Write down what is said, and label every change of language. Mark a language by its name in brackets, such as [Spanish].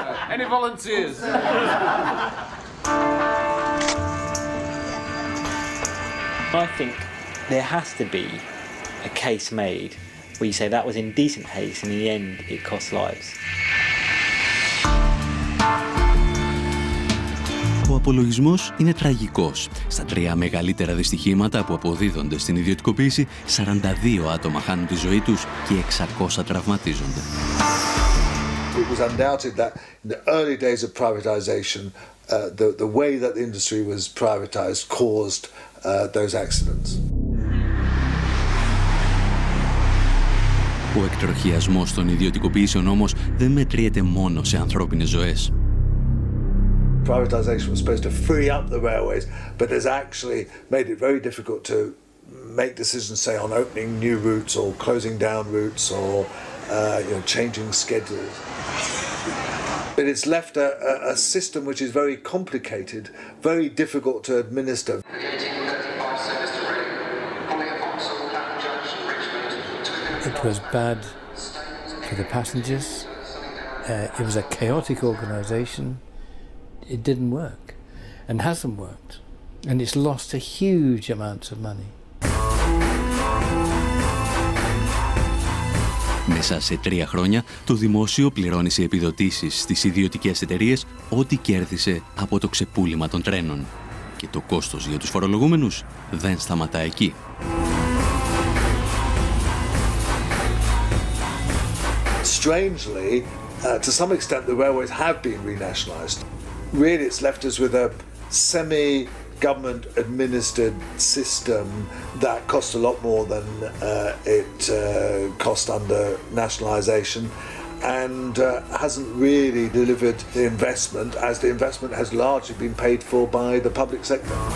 [English] Any volunteers? I think there has to be a case made where you say that was indecent haste and in the end it cost lives. [Greek] Ο απολογισμός είναι τραγικός. Στα τρία μεγαλύτερα δυστυχήματα που αποδίδονται στην ιδιωτικοποίηση, 42 άτομα χάνουν τη ζωή τους και 600 τραυματίζονται. [English] It was undoubted that in the early days of privatization, the way that the industry was privatized caused those accidents. [Greek] Ο εκτροχιασμός των ιδιωτικοποιήσεων όμως δεν μετριέται μόνο σε ανθρώπινες ζωές. [English] Privatization was supposed to free up the railways, but has actually made it very difficult to make decisions, say, on opening new routes or closing down routes or changing schedules. But it's left a system which is very complicated, very difficult to administer. It was bad for the passengers. It was a chaotic organization. It didn't work and hasn't worked. And it's lost a huge amount of money. [Greek] Μέσα σε τρία χρόνια, το δημόσιο πληρώνει σε επιδοτήσεις στις ιδιωτικές εταιρείες ό,τι κέρδισε από το ξεπούλημα των τρένων. Και το κόστος για τους φορολογούμενους δεν σταματά εκεί. [English] Strangely, to some extent, the railways have been renationalized. Really, it's left us with a semi-government-administered system that costs a lot more than it cost under nationalization, and hasn't really delivered the investment, as the investment has largely been paid for by the public sector.